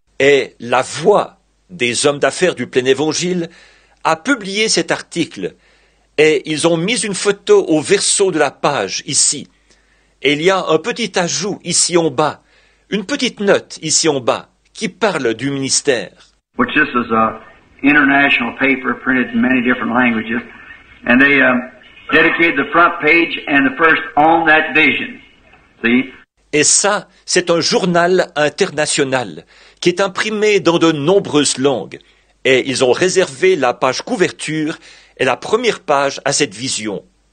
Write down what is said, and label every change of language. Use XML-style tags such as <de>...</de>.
<fr>Et la voix des hommes d'affaires du plein évangile a publié cet article. Et ils ont mis une photo au verso de la page, ici. Et il y a un petit ajout, ici en bas, une petite note, ici en bas, qui parle du ministère.</fr> <en>Which this is an international paper printed in many different languages. And they dedicated the front page and the first on that vision. See?</en> <fr>Et ça, c'est un journal international qui est imprimé dans de nombreuses langues. Et ils ont réservé la page couverture et la première page à cette vision.</fr>